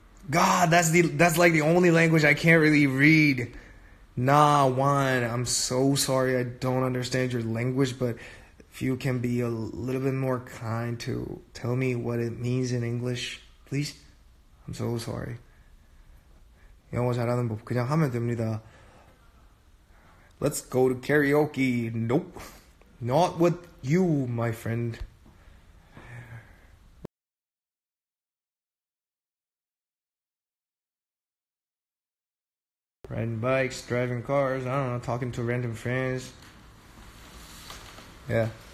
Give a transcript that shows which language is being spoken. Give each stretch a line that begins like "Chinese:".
English: God, that's like the only language I can't really read. Nah, Juan, I'm so sorry I don't understand your language, but if you can be a little bit more kind to tell me what it means in English, please? I'm so sorry.
Korean: 영어 잘하는 법 그냥 하면 됩니다.
English: Let's go to karaoke. Nope. Not with you, my friend. riding bikes, driving cars, I don't know, talking to random friends. Yeah.